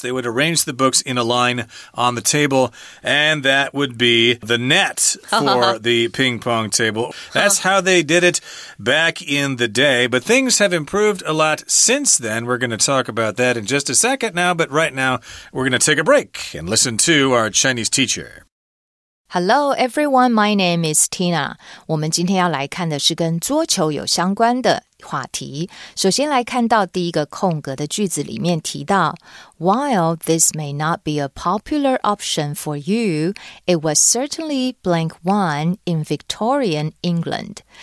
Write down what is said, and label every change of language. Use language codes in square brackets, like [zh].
[en] They would arrange the books in a line on the table, and that would be the net for the ping pong table. That's how they did it back in the day. But things have improved a lot since then. We're going to talk about that in just a second now, but right now we're going to take a break and listen to our Chinese teacher. Hello, everyone. My name is Tina. [zh] 我们今天要来看的是跟桌球有相关的话题。首先来看到第一个空格的句子里面提到 [en] While this may not be a popular option for you, it was certainly blank one in Victorian England.